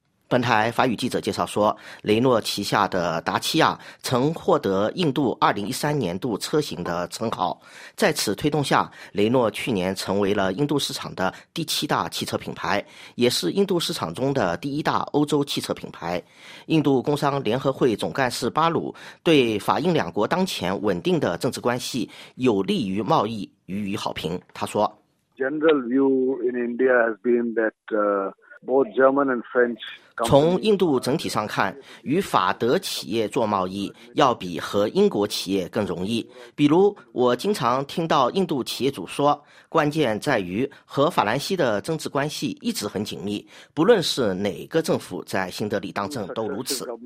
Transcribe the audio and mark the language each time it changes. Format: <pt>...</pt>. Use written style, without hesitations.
<zh>本台法语记者介绍说，雷诺旗下的达契亚曾获得印度2013年度车型的称号，在此推动下，雷诺去年成为了印度市场的第七大汽车品牌，也是印度市场中的第一大欧洲汽车品牌。印度工商联合会总干事巴鲁对法印两国当前稳定的政治关系有利于贸易予以好评。他说</zh> <en>General view in India has been that both German and French companies,</en> <zh>从印度整体上看，与法德企业做贸易要比和英国企业更容易。比如我经常听到印度企业主说，关键在于和法兰西的政治关系一直很紧密，不论是哪个政府在新德里当政都如此。</zh>